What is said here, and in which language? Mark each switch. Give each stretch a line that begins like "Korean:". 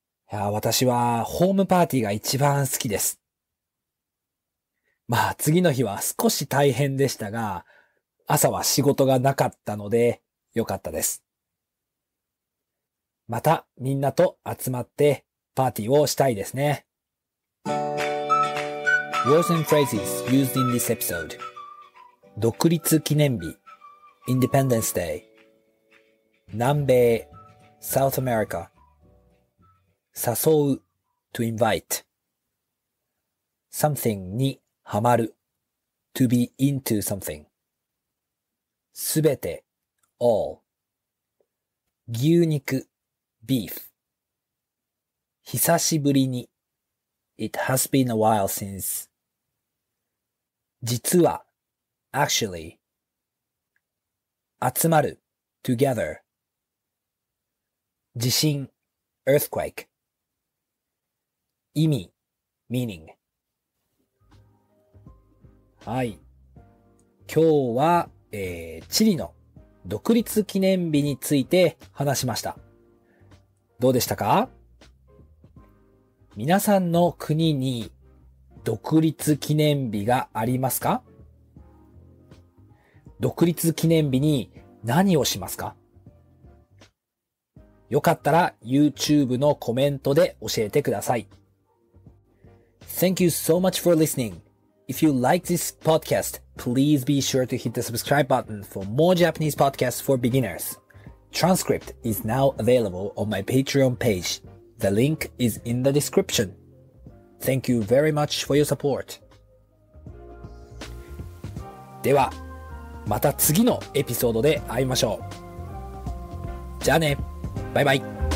Japanese: いや、私はホームパーティーが一番好きです。まあ次の日は少し大変でしたが、朝は仕事がなかったので良かったです。またみんなと集まってパーティーをしたいですね。
English: Words and phrases used in this episode. 独立記念日 Independence Day。南米 South America。 誘う to invite。 Something にハマる to be into something。すべて all。牛肉 beef。久しぶりに it has been a while since。
Japanese: 実は actually。集まる together。地震
English: earthquake. 意味 meaning.
Japanese: はい。今日は、チリの独立記念日について話しました。どうでしたか？皆さんの国に独立記念日がありますか？独立記念日に何をしますか？よかったら YouTube のコメントで教えてください。
English: Thank you so much for listening. If you like this podcast, please be sure to hit the subscribe button for more Japanese podcasts for beginners. Transcript is now available on my Patreon page. The link is in the description. Thank you very much for your support.
Japanese: では、また次のエピソードで会いましょう。じゃあね。バイバイ。